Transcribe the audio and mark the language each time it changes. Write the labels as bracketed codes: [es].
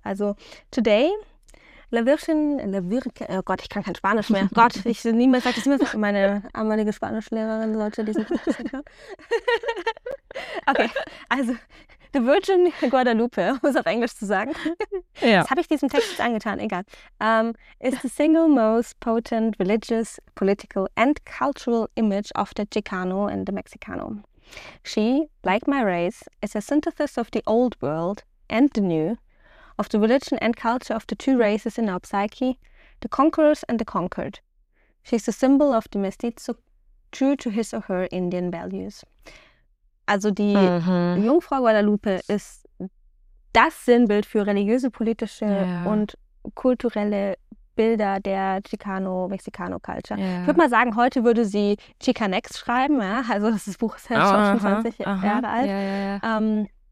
[de] Also, today, oh Gott, ich kann kein Spanisch mehr. Gott, ich nie mehr sage das, niemals, meine ehemalige Spanischlehrerin sollte diesen Podcast hören. Okay, also, the Virgin Guadalupe, um es auf Englisch zu sagen. Das habe ich diesem Text jetzt angetan, egal. [en] Is the single most potent religious, political and cultural image of the Chicano and the Mexicano. She, like my race, is a synthesis of the old world and the new, of the religion and culture of the two races in our psyche, the conquerors and the conquered. She's the symbol of the mestizo, true to his or her Indian values. [de] Also die Jungfrau Guadalupe ist das Sinnbild für religiöse, politische und kulturelle Bilder der Chicano-Mexicano-Culture. Ich würde mal sagen, heute würde sie Chicanex schreiben. Ja? Also das Buch ist ja schon 20 Jahre alt.